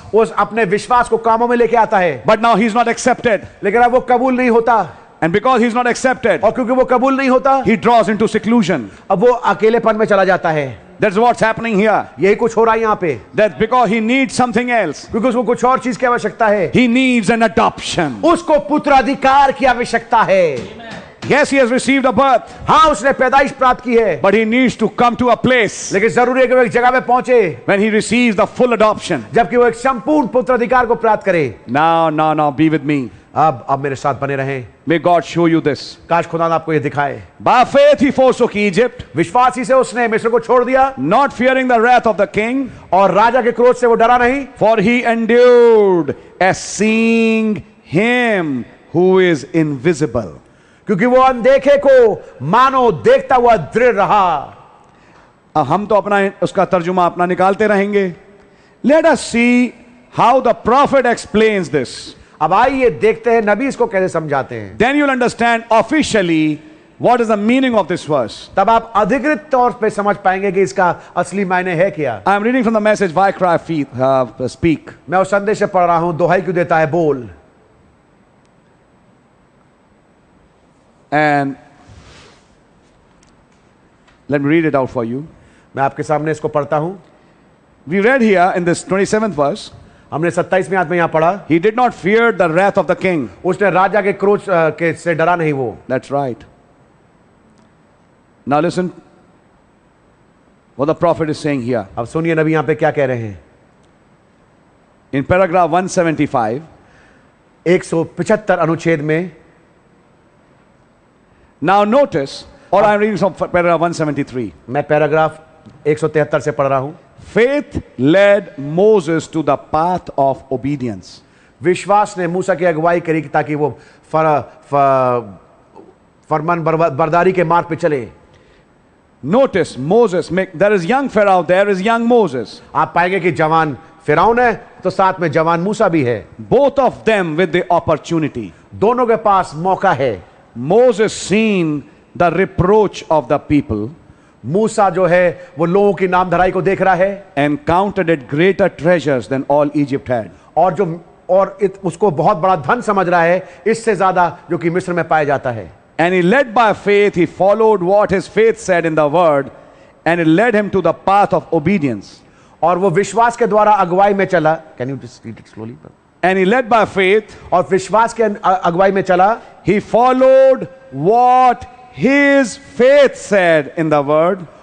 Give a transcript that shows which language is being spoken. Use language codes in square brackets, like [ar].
[hi] वो अपने विश्वास को कामों में लेके आता है. [en] But now he is not accepted. [hi] लेकिन अब वो कबूल नहीं होता. [en] And because he's not accepted, [hi] और क्योंकि वो कबूल नहीं होता, [en] he draws into seclusion. [hi] अब वो अकेलेपन में चला जाता है. [en] That's what's happening here. [hi] यही कुछ हो रहा है यहाँ पे. [en] That because he needs something else. [hi] क्योंकि उसको कुछ और चीज़ की आवश्यकता है. [en] He needs an adoption. [hi] उसको पुत्राधिकार की आवश्यकता है. Amen. [en] Yes, he has received a birth. [hi] हाँ, उसने पैदाइश प्राप्त की है. [en] But he needs to come to a place. [hi] लेकिन जरूरी है कि वह एक जगह पे पहुंचे. [en] When he receives the full adoption. [hi] जबकि वह एक संपूर्ण पुत्र अधिकार को प्राप्त करे. [en] Now, be with me. [hi] अब मेरे साथ बने रहें. [en] May God show you this. [hi] काश खुदा ने आपको यह दिखाए. [en] By faith he forsook Egypt. [hi] विश्वासी से उसने मिस्र को छोड़ दिया. [en] Not fearing the wrath of the king. [hi] और राजा के क्रोध से वो डरा नहीं. [en] For he endured as seeing him who is invisible. [hi] क्योंकि वो अनदेखे को मानो देखता हुआ दृढ़ रहा. हम तो अपना उसका तर्जुमा अपना निकालते रहेंगे. [en] Let us see how the prophet explains this. [hi] अब आइए देखते हैं नबी इसको कैसे समझाते हैं. [en] Then you'll understand officially what is the meaning of this verse. [hi] तब आप अधिकृत तौर पे समझ पाएंगे कि इसका असली मायने है क्या. [en] I am reading from the message. Why cry feet? Speak. [hi] मैं उस संदेश पढ़ रहा हूं. दोहाई क्यों देता है बोल. [en] And let me read it out for you. [hi] मैं आपके सामने इसको पढ़ता हूं. [en] We read here in this 27th verse. [hi] हमने 27वें आयत में यहां पढ़ा. [en] He did not fear the wrath of the king. [hi] उसने राजा के क्रोध के से डरा नहीं वो. [en] That's right. Now listen what the prophet is saying here. [hi] अब सुनिए नबी यहां पे क्या कह रहे हैं. [en] In paragraph 175, [hi] 175 अनुच्छेद में. [en] Now notice, or I'm reading from paragraph 173. [hi] मैं पैराग्राफ 173 से पढ़ रहा हूं. [en] Faith led Moses to the path of obedience. [hi] विश्वास ने मूसा की अगुवाई करी ताकि वो फरमान बर्दारी के मार्ग पे चले. [en] Notice Moses, there is young Pharaoh, there is young Moses. [hi] आप पाएंगे कि जवान फिराउन है तो साथ में जवान मूसा भी है. [en] Both of them with the opportunity. [hi] दोनों के पास मौका है. [en] Moses seen the reproach of the people. [hi] मूसा जो है वो लोगों की नामधराई को देख रहा है. [en] And counted it greater treasures than all Egypt had. [hi] और जो और उसको बहुत बड़ा धन समझ रहा है इससे ज्यादा जो कि मिस्र में पाया जाता है. [en] And he led by faith, he followed what his faith said in the word, and it led him to the path of obedience. [hi] और वो विश्वास के द्वारा अगुवाई में चला. [en] Can you just read it slowly? And he led by faith. [hi] और विश्वास के अगुवाई में चला. [en] He followed what his faith said in the word.